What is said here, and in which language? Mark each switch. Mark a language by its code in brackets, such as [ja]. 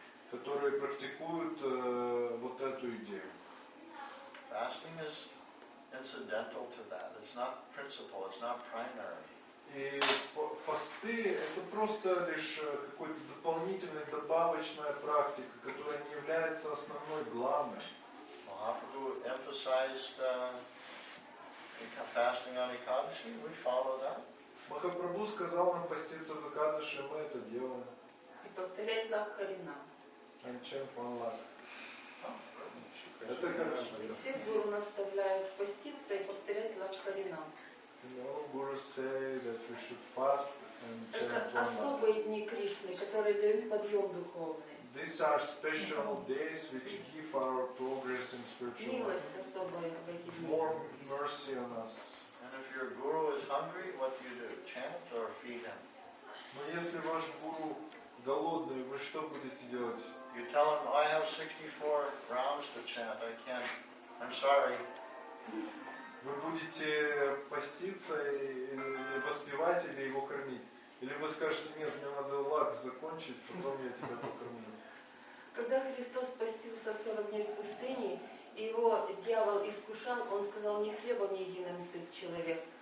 [ru] Которые практикуют вот эту идею. [en] Fasting is incidental to that. It's not principal, it's not primary. [ru] И посты это просто лишь какой-то дополнительный, добавочная практика, которая не является основной, главной. [en] Mahaprabhu emphasized fasting on Ekadashi, we follow that. [ru] Махапрабху сказал нам поститься в Экадыше, мы это делаем. И повторять лах харина. [en] And chant one lach. [ru] Это хорошо. Все гуру наставляют поститься и повторять лах харина. [en] All gurus say that we should fast and chant one lach. [ru] Это особые дни Кришны, которые дают подъем духовный. [en] These are special days which give our progress in spiritual life. More mercy on us. And if your guru is hungry, what do you do? Chant or feed him? [ru] Но если ваш гуру голодный, вы что будете делать? [en] You tell him, I have 64 rounds to chant. I can't. I'm sorry. [ru] Вы будете поститься и воспевать или его кормить? Или вы скажете, нет, мне надо лак закончить, потом я тебя покормлю. Когда Христос постился 40 дней в пустыне, и его дьявол искушал, он сказал, не хлебом единым сыт человек.